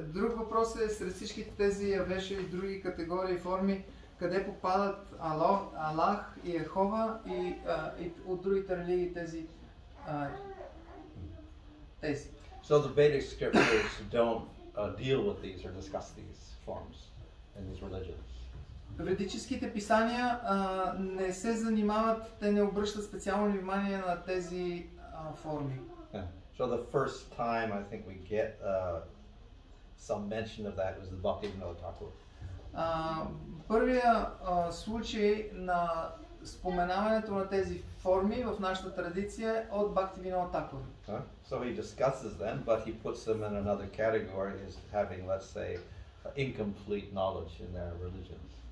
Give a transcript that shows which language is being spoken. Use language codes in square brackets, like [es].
[bg] Друг въпрос е сред всички тези авеша и други категории и форми, къде попадат Аллах и Ехова и, и от другите религии тези тези. [en] So the Vedic scriptures don't deal with these or discuss these forms in these religions. [bg] Ведическите писания не се занимават, те не обръщат специално внимание на тези форми. [en] So the first time I think we get some mention of that was the Bhaktivinoda Thakur. [bg] Първия случай на споменаването на тези форми в нашата традиция е от Бхактивинода Такур. [en] So he discusses them, but he puts them in another category as having, let's say, incomplete knowledge in their religions.